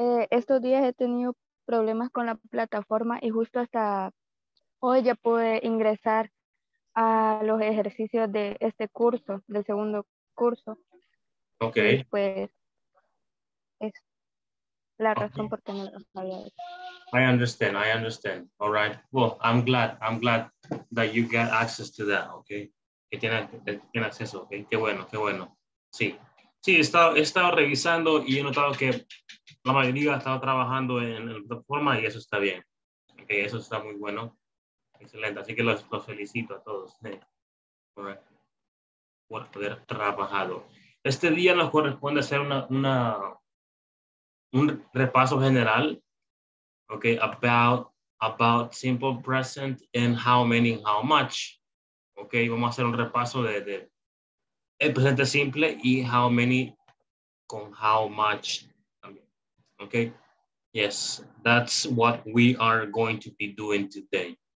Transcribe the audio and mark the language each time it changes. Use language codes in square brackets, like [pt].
[es] Estos días he tenido problemas con la plataforma y justo hasta hoy ya pude ingresar a los ejercicios de este curso, del segundo curso. [en] Ok. [es] Y pues es la razón por qué no lo sabía. [en] I understand. All right. Well, I'm glad that you got access to that, ok? [es] Que tiene acceso, ok? Qué bueno. Sí. Sí, he estado revisando y he notado que la mayoría ha estado trabajando en la plataforma y eso está bien. Okay, eso está muy bueno. Excelente. Así que los felicito a todos. Por haber trabajado. Este día nos corresponde hacer un repaso general. [en] Okay, about simple present and how many, how much. [es] Okay, vamos a hacer un repaso de el presente simple y how many con how much. [en] Okay, yes, that's what we are going to be doing today.